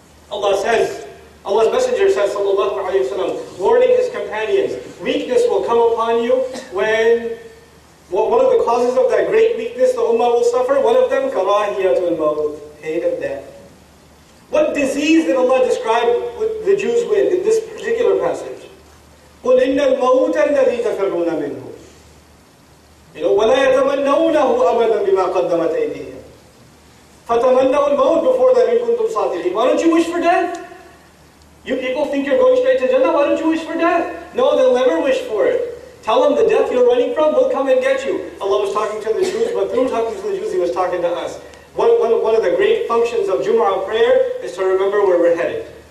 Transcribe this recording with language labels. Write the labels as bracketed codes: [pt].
[en] Allah says, Allah's Messenger says, sallallahu alayhi wa sallam, warning his companions, weakness will come upon you when... Well, one of the causes of that great weakness the ummah will suffer, one of them, karahiyatul maut, hate of death. What disease did Allah describe the Jews with in this particular passage? [ar] قُلْ إِنَّ الْمَوْتَ الَّذِي تَفِرُّونَ مِنْهُ. [en] You know, [ar] وَلَا يَتَمَنَّوْنَهُ أَبَدًا بِمَا قَدَّمَتْ أَيْدِيهِمْ. فَتَمَنَّوا الْمَوْتَ [en] before that [ar] إِن كُنْتُمْ صَادِقِينَ. [en] Why don't you wish for death? You people think you're going straight to Jannah, why don't you wish for death? No, they'll never wish for it. Tell them the death you're running from, we'll come and get you. Allah was talking to the Jews, but through talking to the Jews, He was talking to us. One of the great functions of Jumu'ah prayer is to remember where we're headed.